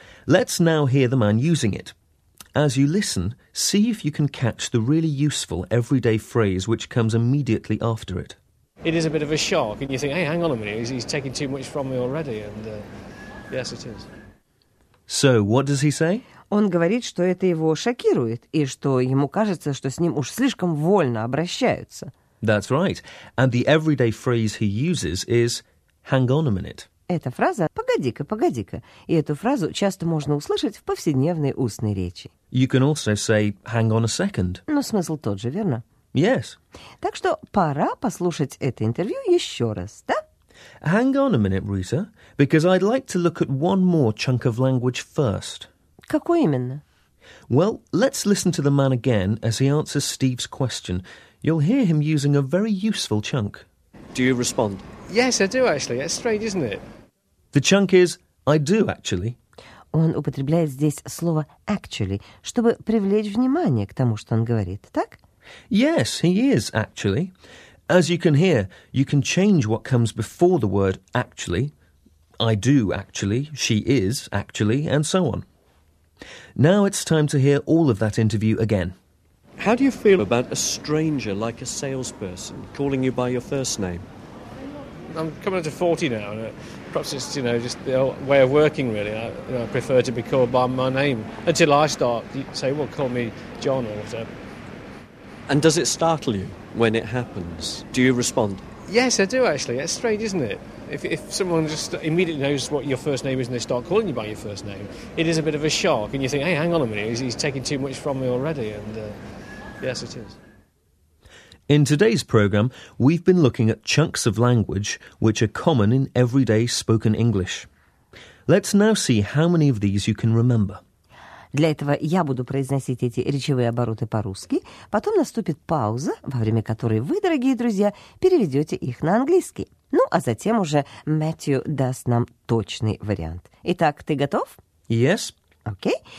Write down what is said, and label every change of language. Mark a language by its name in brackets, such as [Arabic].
[English] Let's now hear the man using it. As you listen, see if you can catch the really useful everyday phrase which comes immediately after it. It is a bit of a shock, and you think, hey, hang on a minute, he's taking too much from me already, and yes, it is. So, what does he say? [Russian] Он говорит, что это его шокирует, и что ему кажется, что с ним уж слишком вольно обращаются. [English] That's right. And the everyday phrase he uses is... Hang on a minute. [Russian] Эта фраза «погоди-ка, погоди-ка». И эту фразу часто можно услышать в повседневной устной речи. [English] You can also say «hang on a second». [Russian] Но смысл тот же, верно? [English] Yes. [Russian] Так что пора послушать это интервью еще раз, да? [English] Hang on a minute, Rita, because I'd like to look at one more chunk of language first. [Russian] Какой именно? [English] Well, let's listen to the man again as he answers Steve's question. You'll hear him using a very useful chunk. Do you respond? Yes, I do, actually. It's strange, isn't it? The chunk is I do, actually. [Russian] Он употребляет здесь слово actually, чтобы привлечь внимание к тому, что он говорит, так? [English] Yes, he is, actually. As you can hear, you can change what comes before the word actually. I do, actually. She is, actually, and so on. Now it's time to hear all of that interview again. How do you feel about a stranger, like a salesperson, calling you by your first name? I'm coming to 40 now, and perhaps it's, you know, just the old way of working, really. I prefer to be called by my name until I start to say, well, call me John or whatever. And does it startle you when it happens? Do you respond? Yes, I do, actually. It's strange, isn't it? If someone just immediately knows what your first name is and they start calling you by your first name, it is a bit of a shock, and you think, hey, hang on a minute, he's taking too much from me already, and yes, it is. In today's programme, we've been looking at chunks of language which are common in everyday spoken English. Let's now see how many of these you can remember. [Russian] Для этого я буду произносить эти речевые обороты по-русски, потом наступит пауза, во время которой вы, дорогие друзья, переведете их на английский. Ну, а затем уже Мэтью даст нам точный вариант. Итак, ты готов? [English] Yes. [Russian] Окей.